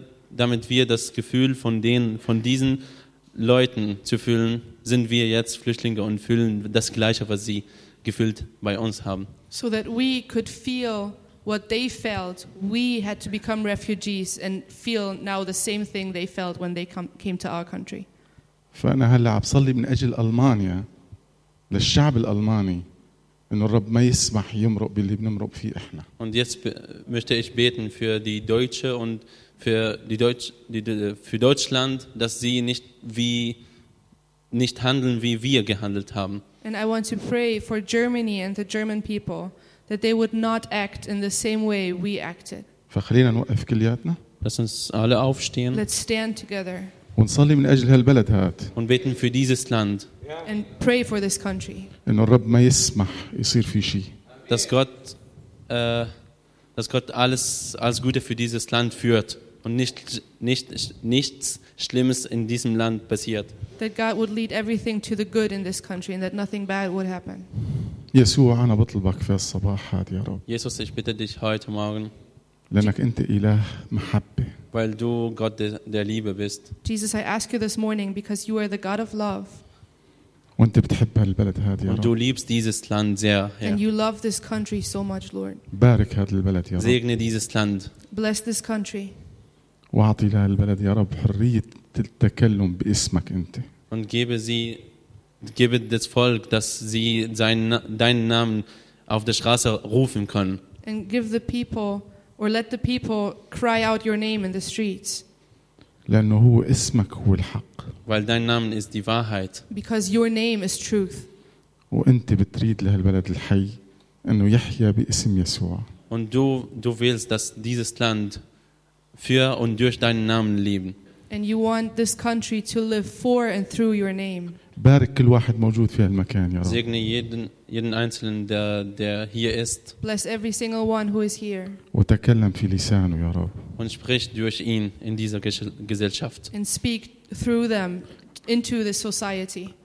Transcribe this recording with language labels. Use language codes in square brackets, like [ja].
[de] damit wir das Gefühl von diesen Leuten zu fühlen, sind wir jetzt Flüchtlinge und fühlen das gleiche, was sie gefühlt bei uns haben. [en] So that we could feel what they felt, we had to become refugees and feel now the same thing they felt when they came to our country. [ar] فأنا هلا عم صلي من أجل ألمانيا للشعب الألماني إنه الرب ما يسمح يمرق باللي بنمرق فيه إحنا. [de] Und jetzt möchte ich beten für die Deutsche und für Deutschland, dass sie nicht handeln wie wir gehandelt haben. [en] And I want to pray for Germany and the German people. That they would not act in the same way we acted. [ar] فخلينا نوقف كلياتنا. [de] Lass uns alle aufstehen. [en] Let's stand together. [ar] ونصلي من أجل هالبلد هاد. [de] Und beten für dieses Land. [en] And pray for this country. [ar] إنه الرب ما يسمح يصير في شيء. [de] dass Gott alles Gute für dieses Land führt und nichts Schlimmes in diesem Land passiert. [en] That God would lead everything to the good in this country and that nothing bad would happen. [ar] يسوع أنا بطلبك في الصباح هذا يا رب. [de] Jesus, ich bitte dich heute Morgen. [ar] لأنك أنت إله محبة. [de] Weil du Gott der Liebe bist. [en] Jesus, I ask you this morning because you are the God of love. [ar] وأنت بتحب هالبلد هذا يا رب. [de] Und du liebst dieses Land sehr, [en] Herr. And you love this country so much, Lord. [ar] بارك هذا البلد يا رب. [de] Segne dieses Land. [en] Bless this country. [ar] وأعطي لها البلد يا رب حرية التكلم باسمك أنت. [de] Und gebe das Volk, dass sie deinen Namen auf der Straße rufen können. [en] And give the people, or let the people cry out your name in the streets. [ar] لأنه هو اسمك هو الحق. [de] Weil dein Name ist die Wahrheit. [en] Because your name is truth. [ar] وأنت بتريد لهالبلد الحي أنه يحيا باسم يسوع. [de] Und du willst, dass dieses Land für und durch deinen Namen leben. [en] And you want this country to live for and through your name. [ar] بارك كل واحد موجود في هالمكان يا رب. [de] Segne jeden einzelnen der hier ist. [en] Bless every single one who is here. [ar] وتكلم في لسانه يا رب. [de] Und sprich durch ihn in dieser Gesellschaft. [en] And speak through them into the society.